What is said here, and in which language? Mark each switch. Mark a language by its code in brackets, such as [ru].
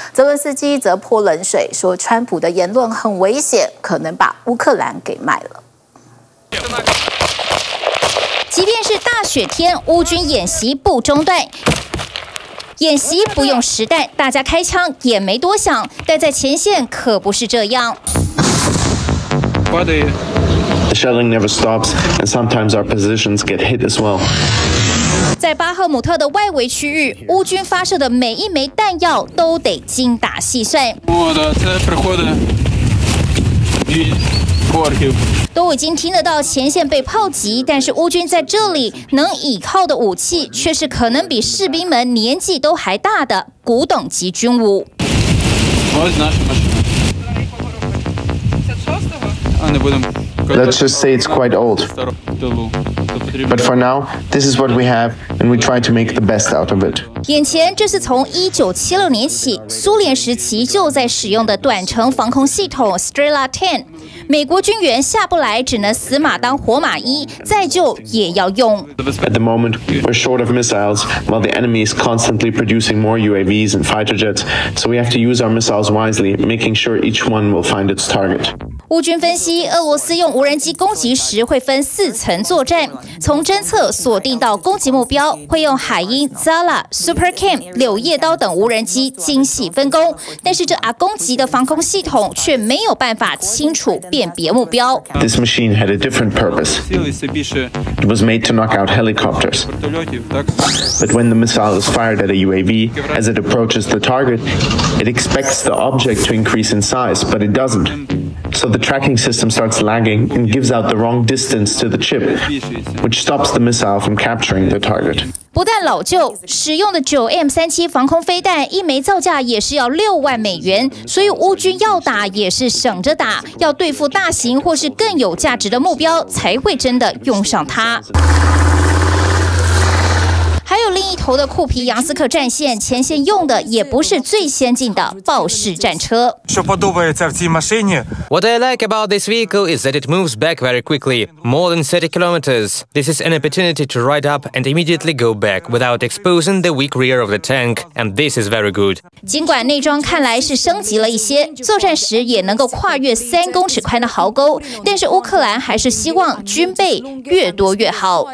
[zh] 泽伦斯基则泼冷水说，川普的言论很危险，可能把乌克兰给卖了。即便是大雪天，乌军演习不中断，演习不用实弹，大家开枪也没多想，但在前线可不是这样。 [en] The shelling never stops, and sometimes our positions get hit as well. [zh] 在巴赫姆特的外围区域，乌军发射的每一枚弹药都得精打细算。都已经听得到前线被炮击，但是乌军在这里能倚靠的武器，却是可能比士兵们年纪都还大的古董级军武。 [en] Let's just say it's quite old. But for now, this is what we have, and we try to make the best out of it. [zh] 眼前这是从1976年起，苏联时期就在使用的短程防空系统 Strela 10。美国军援下不来，只能死马当活马医，再救也要用。 [en] At the moment, we're short of missiles, while the enemy is constantly producing more UAVs and fighter jets, so we have to use our missiles wisely, making sure each one will find its target. [zh] 乌军分析，俄罗斯用无人机攻击时会分四层作战，从侦测锁定到攻击目标，会用海鹰、Zala、Super Cam、柳叶刀等无人机精细分工。但是这阿公级的防空系统却没有办法清楚辨别目标。 [en] This machine had a different purpose. It was made to knock out helicopters. But when the missile is fired at a UAV, as it approaches the target, it expects the object to increase in size, but it doesn't. So the tracking system starts lagging and gives out the wrong distance to the chip, which stops the missile from capturing the target. [zh] 不但老旧，使用的 9M37 防空飞弹一枚造价也是要$60,000，所以乌军要打也是省着打，要对付大型或是更有价值的目标才会真的用上它。还有另一头的库皮扬斯克战线，前线用的也不是最先进的豹式战车。 [en] What I like about this vehicle is that it moves back very quickly, more than 30 kilometers. This is an opportunity to ride up and immediately go back without exposing the weak rear of the tank, and this is very good. [zh] 尽管内装看来是升级了一些，作战时也能够跨越3公尺宽的壕沟，但是乌克兰还是希望军备越多越好。